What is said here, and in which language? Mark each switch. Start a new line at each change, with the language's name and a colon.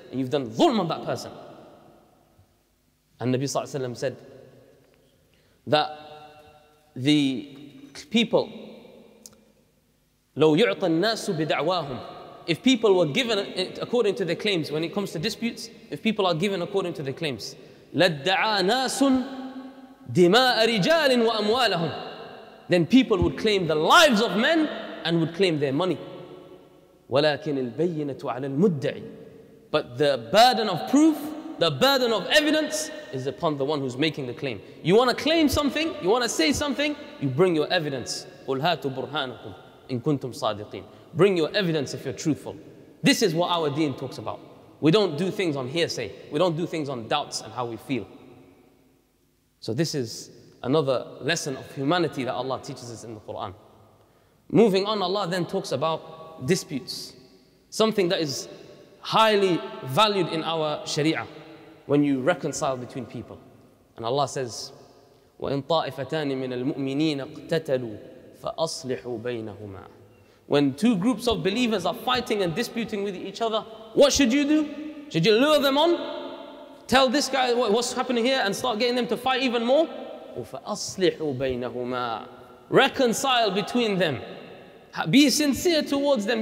English: And you've done dhulm on that person. And Nabi Sallallahu Alaihi Wasallam said that the people,
Arabic: لو يعطى الناس بدعواهم,
English: if people were given it according to their claims, when it comes to disputes, if people are given according to their claims,
Arabic: لدعى ناس دماء رجال وأموالهم,
English: then people would claim the lives of men and would claim their money.
Arabic: ولكن البينة على المدعي,
English: but the burden of proof, the burden of evidence is upon the one who's making the claim. You want to claim something, you want to say something, you bring your evidence.
Arabic: قل هاتوا برهانكم إن كنتم صادقين.
English: Bring your evidence if you're truthful. This is what our deen talks about. We don't do things on hearsay. We don't do things on doubts and how we feel. So this is another lesson of humanity that Allah teaches us in the Quran. Moving on, Allah then talks about disputes. Something that is highly valued in our sharia when you reconcile between people. And Allah says,
Arabic: وَإِن طَائِفَتَانِ مِنَ الْمُؤْمِنِينَ اقْتَتَلُوا فَأَصْلِحُوا بَيْنَهُمَا.
English: When two groups of believers are fighting and disputing with each other, what should you do? Should you lure them on? Tell this guy what's happening here and start getting them to fight even more?
Arabic: وَفَأَصْلِحُوا بَيْنَهُمَا.
English: Reconcile between them. Be sincere towards them.